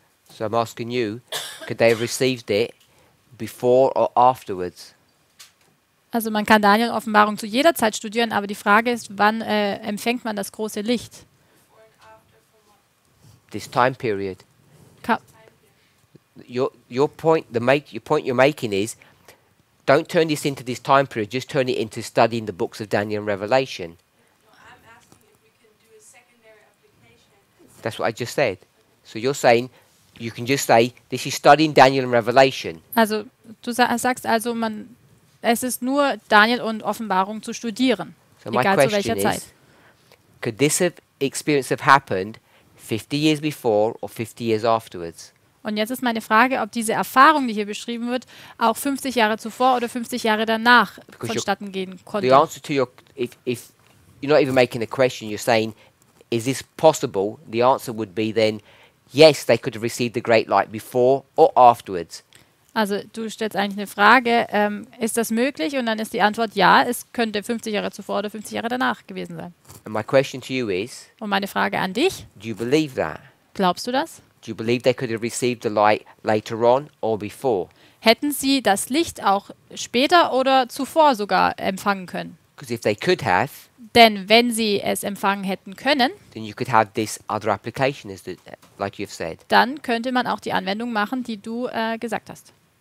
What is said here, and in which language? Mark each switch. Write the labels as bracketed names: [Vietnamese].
[English] So I'm asking you, could they have received it before or afterwards? [German] Also man kann Daniel Offenbarung zu jeder Zeit studieren, aber die Frage ist, wann empfängt man das große Licht? [English] This time period. Your point you're making is, don't turn this into this time period, just turn it into studying the books of Daniel and Revelation. No, I'm asking if we can do a secondary application. That's what I just said. So you're saying, you can just say, this is studying Daniel and Revelation. [German] Also du sagst also, man... Es ist nur Daniel und Offenbarung zu studieren, [English] so [German] egal [English] my [German] zu welcher [English] is, [German] Zeit. [English] Could this experience have happened 50 years before or 50 years afterwards? [German] Und jetzt ist meine Frage, ob diese Erfahrung, die hier beschrieben wird, auch 50 Jahre zuvor oder 50 Jahre danach [English] Because [German] vonstatten gehen konnte. [English] The answer to your if you're not even making a question, you're saying is this possible? The answer would be then yes, they could have received the great light before or afterwards. [German] Also du stellst eigentlich eine Frage, ist das möglich? Und dann ist die Antwort ja, es könnte 50 Jahre zuvor oder 50 Jahre danach gewesen sein. [English] And my question to you is, [German] und meine Frage an dich, [English] do you believe that? [German] Glaubst du das? [English] Do you believe they could have received the light later on or before? [German] Hätten sie das Licht auch später oder zuvor sogar empfangen können? [English] Because if they could have, [German] denn wenn sie es empfangen hätten können, [English] then you could have this other application, like you've said. [German] Dann könnte man auch die Anwendung machen, die du gesagt hast.